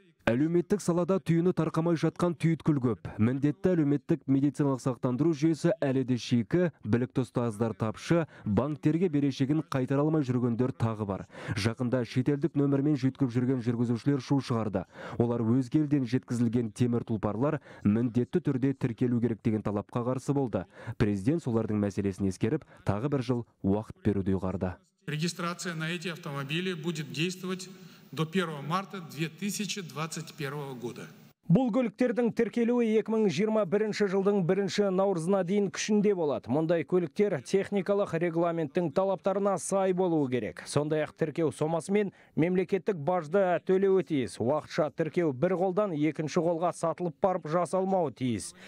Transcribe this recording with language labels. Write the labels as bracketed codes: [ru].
[kk] Әлеуметтік салада түйіні тарқамай жатқан түйткіл көп. Міндетті әлеуметтік медициналық сақтандыру жүйесі әлі де шикі, білікті ұстаздар тапшы, банктерге берешегін қайтара алмай жүргендер тағы бар. Жақында шетелдік нөмірмен жеткізіп жүрген жүргізушілер шу шығарды. Олар өзге елден жеткізілген темір тұлпарлар міндетті түрде тіркелу керек деген талапқа қарсы болды. Президент солардың мәселесін ескеріп, тағы бір жыл уақыт беруді ұйғарды. [ru] Регистрация на эти автомобили будет действовать до 1 марта 2021 года. [kk] Бұл көліктердің тіркелуі 2021 жылдың 1 наурызына дейін күшінде болады. Мұндай көліктер техникалық регламенттің талаптарына сай болуы керек. Сондай ақ тіркеу сомасымен мемлекеттік бажды төлеуі тиіс. Уақытша тіркеу бір қолдан екінші қолға сатылып барып жасалмауы тиіс.